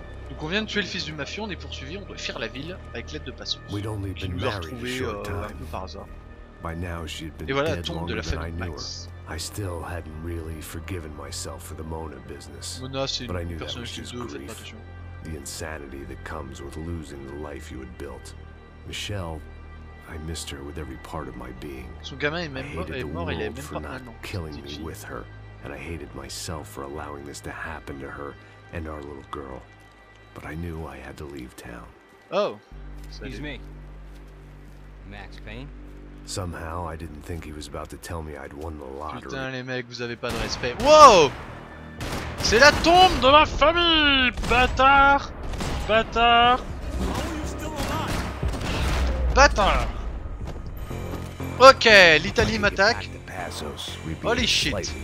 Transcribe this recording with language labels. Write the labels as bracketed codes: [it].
[fr] Donc on vient de tuer le fils du mafieux, on est poursuivi, on doit fuir la ville avec l'aide de Passos. Qui nous a retrouvés un peu par hasard. Et voilà la tombe de la famille Max. [en] I still hadn't really forgiven myself for the Mona business. [fr] Mona, c'est une personnage de deux, faites attention. [en] The insanity that comes with losing the life you had built. Michelle, I missed her with every part of my being. [fr] Son gamin est même mort, il est même pas mal, non. [en] Killing me with her, and I hated myself for allowing this to happen to her and our little girl. But I knew I had to leave town. Oh, excuse me, Max Payne. Somehow I didn't think he was about to tell me I'd won the lottery. [fr] Putain les mecs, vous avez pas de respect. Wow, c'est la tombe de ma famille, bâtard, bâtard. Bâtard. Ok, l'Italie m'attaque. Holy shit.